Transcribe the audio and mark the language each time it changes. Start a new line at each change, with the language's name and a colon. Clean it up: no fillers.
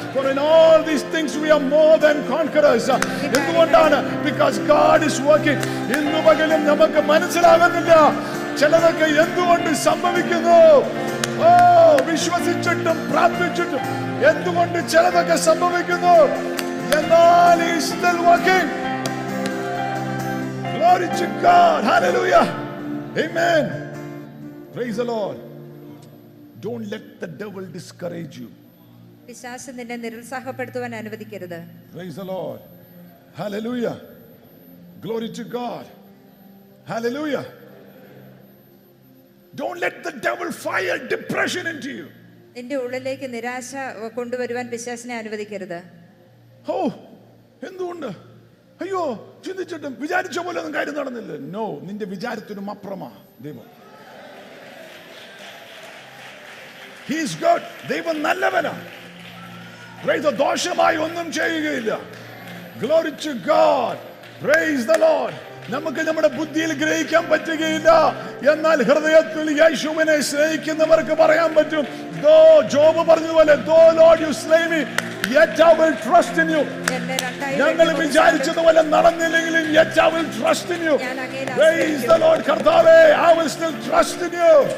English: For in all these things we are more than conquerors.
Malayalam: എന്തുകൊണ്ടാണ്?
English: Because God is working.
Malayalam: ഇന്നു പകലും നമുക്ക് മനസ്സിലാകുന്നില്ല ചിലതൊക്കെ എന്തുകൊണ്ട് സംഭവിക്കുന്നു. ഓ വിശ്വസിച്ചിട്ടും പ്രാർത്ഥിച്ചിട്ടും എന്തുകൊണ്ട് ചിലതൊക്കെ സംഭവിക്കുന്നു.
English: God is still working. Glory to God. Hallelujah. Amen. Praise the Lord. Don't let the devil discourage you.
Malayalam: പിശാച് നിന്നെ നിരുത്സാഹപ്പെടുത്തുവാൻ അനുവദിക്കരുത്.
English: Praise the Lord. Hallelujah. Glory to God. Hallelujah. Don't let the devil fire depression into you.
Malayalam: നിന്റെ ഉള്ളിലേക്ക് നിരാശ കൊണ്ടുവരുവാൻ പിശാചിനെ അനുവദിക്കരുത്. ഓ എന്തുകൊണ്ട്? അയ്യോ ചിന്തിച്ചിട്ടും വിചാരിച്ച പോലെ ഒന്നും കാര്യം നടന്നില്ല. നോ, നിന്റെ വിചാരത്തിനും അപ്പുറമാ ദൈവം.
English: He is good.
Malayalam: ദൈവം നല്ലവനാ.
English: Praise the Lord.
Malayalam: ദോഷമായി ഒന്നും ചെയ്യുകയില്ല.
English: Glory to God. Praise the Lord.
Malayalam: നമുക്ക് നമ്മുടെ ബുദ്ധിയിൽ ഗ്രഹിക്കാൻ പറ്റുകയില്ല, എന്നാൽ ഹൃദയത്തിൽ യേശുവിനെ സ്നേഹിക്കുന്നവർക്ക് പറയാൻ പറ്റും.
English: though
Malayalam: ജോബ് പറഞ്ഞതുപോലെ,
English: Though Lord you slay me, yet I will trust in you.
Malayalam: ഞങ്ങൾ വിചാരിച്ചത് പോലെ നടന്നില്ലെങ്കിലും
English: yet I will trust in you. Praise the Lord. കർത്താവേ, I will still trust in you.